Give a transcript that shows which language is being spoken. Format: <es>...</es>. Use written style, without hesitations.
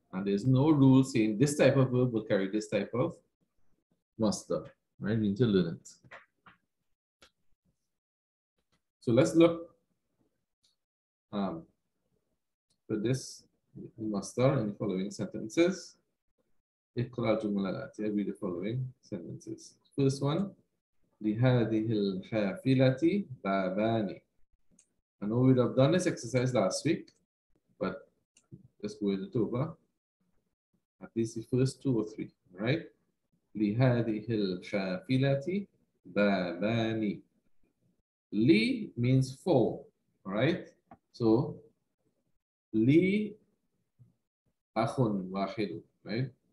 <en>And there's no rule saying this type of verb will carry this type of master. Right? We need to learn it. So let's look. For this master in the following sentences.</en> <ar>اقرأ الجمل الآتية,</ar> <en>read the following sentences. First one,</en> <ar>لهذه الحافلة بابان.</ar> <en>I know we'd have done this exercise last week, but let's go it over. At least the first two or three, right?</en> <ar>لهذه الحافلة بابان.</ar> <en>لي means for, right? So,</en> <ar>Li akhun wahidu,</ar> <en>right?</en>